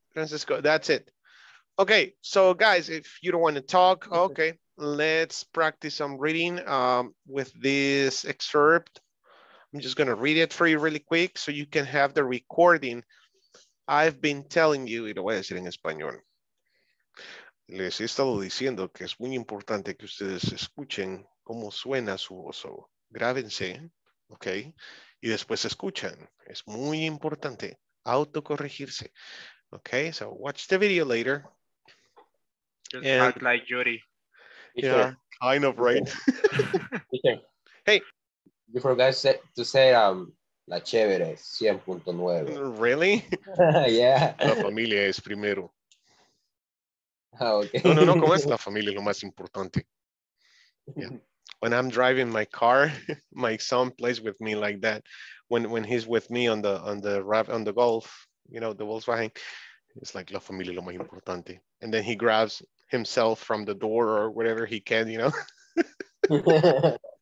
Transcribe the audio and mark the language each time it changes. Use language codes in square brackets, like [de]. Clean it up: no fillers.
[en] Francisco, that's it. Okay. So, guys, if you don't want to talk, okay, let's practice some reading with this excerpt. I'm just going to read it for you really quick so you can have the recording. I've been telling you, [es] y lo voy a decir en español. Les he estado diciendo que es muy importante que ustedes escuchen cómo suena su voz. Grábense, ¿ok? Y después escuchan. Es muy importante autocorregirse. ¿Ok? [en] So watch the video later. Just act like Yuri. Yeah, kind of, right? Hey. You forgot to say La Chévere, 100.9. Really? Yeah. [es] La familia es primero. [en] Oh, okay. [es] No, como es la familia lo más importante. [en] Yeah. When I'm driving my car, my son plays with me like that. When he's with me on the golf, you know, the Volkswagen, it's like [es] la familia lo más importante. [en] And then he grabs himself from the door or whatever he can, you know.